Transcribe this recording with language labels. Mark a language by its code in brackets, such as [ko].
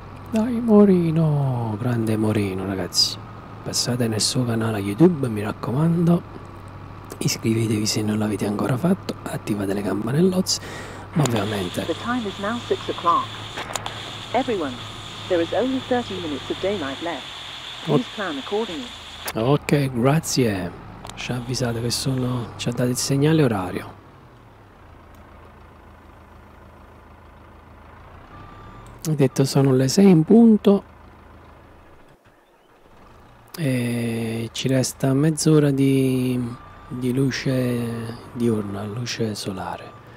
[it] Dai Moreno, grande Moreno, ragazzi, passate nel suo canale YouTube, mi raccomando, iscrivetevi se non l'avete ancora fatto, attivate le campanellozze, ma ovviamente... [en] The time is now 6 o'clock. Everyone, there is only 30 minutes of daylight left. Please plan accordingly. [it] Ok, grazie. Ci ha avvisato che sono... ci ha dato il segnale orario. Ha detto sono le 6 in punto. E ci resta mezz'ora di luce diurna, luce solare.